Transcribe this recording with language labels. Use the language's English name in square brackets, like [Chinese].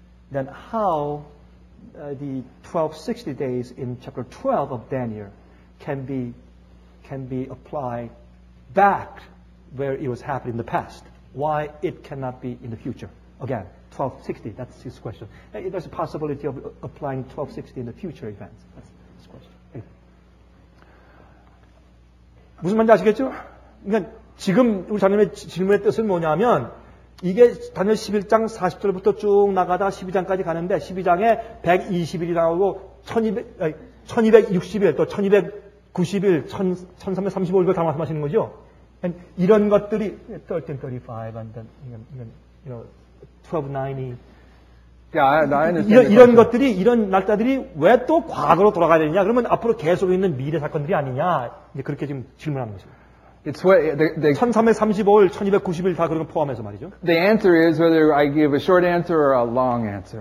[English] Then how the 1260 days in chapter 12 of Daniel can be applied back where it was happening in the past. Why it cannot be in the future? Again, 1260, that's his question. There's a possibility of applying 1260 in the future events. That's his question. [Korean] 무슨 말인지 아시겠죠? 그러니까 지금 우리 장님의 질문의 뜻은 뭐냐면 이게 다니엘 11장 40절부터 쭉 나가다 12장까지 가는데 12장에 120일이 나오고 1260일 또 1290일 1335일 다 말씀하시는 거죠? [English] And [Korean] 이런 것들이 [English] 1335 and then you know 1290 yeah, I understand [Korean] 이런 것들이 이런 날짜들이 왜 또 과거로 돌아가야 되느냐 그러면 앞으로 계속 있는 미래 사건들이 아니냐 이제 그렇게 지금 질문하는 거죠. [English] It's what the [Korean] 1335일, 1290일 다 그런 거 포함해서 말이죠. [English] The answer is whether I give a short answer or a long answer.